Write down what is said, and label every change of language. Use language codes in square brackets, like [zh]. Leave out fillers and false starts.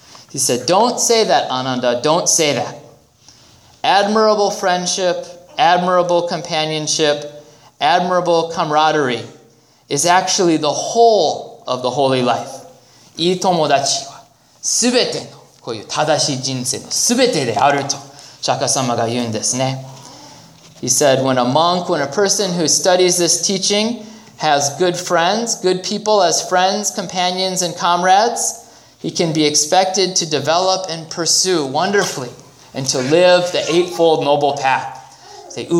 [en] He said, don't say that, Ananda, don't say that. Admirable friendship, admirable companionship, admirable camaraderie is actually the whole of the holy life. [ja] いい友達は全ての こういう正しい人生の全てであると釈迦様が言うんですね。 [en] He said, when a person who studies this teaching has good friends, good people as friends, companions, and comrades, he can be expected to develop and pursue wonderfully and to live the Eightfold Noble Path.